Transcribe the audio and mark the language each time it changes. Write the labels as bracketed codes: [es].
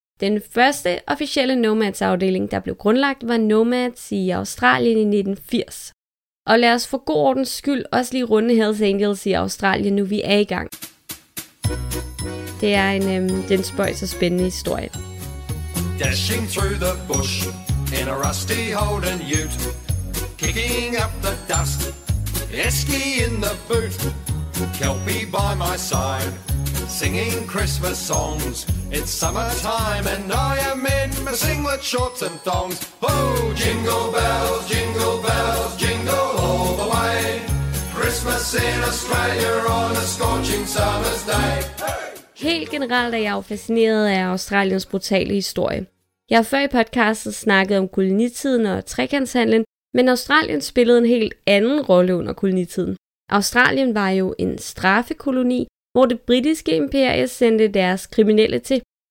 [da] Den første officielle nomads afdeling, der blev grundlagt, var nomads i Australien i 1980. Og lad os for god ordens skyld også lige runde Hells Angels i Australien, nu vi er i gang. Det er en spøjs og spændende historie. [en] Dashing through the bush in a rusty Holden ute, kicking up the dust, esky in the boot, Kelpie by my side, singing Christmas songs. It's summertime and I am in my singlet shorts and thongs. Oh, jingle bells, jingle bells, jingle all the way. Christmas in Australia on a scorching summer's day. [da] Helt generelt er jeg jo fascineret af Australiens brutale historie. Jeg har før i podcastet snakket om kolonitiden og trekantshandlen, men Australien spillede en helt anden rolle under kolonitiden. Australien var jo en straffekoloni, hvor det britiske imperie sendte deres kriminelle til.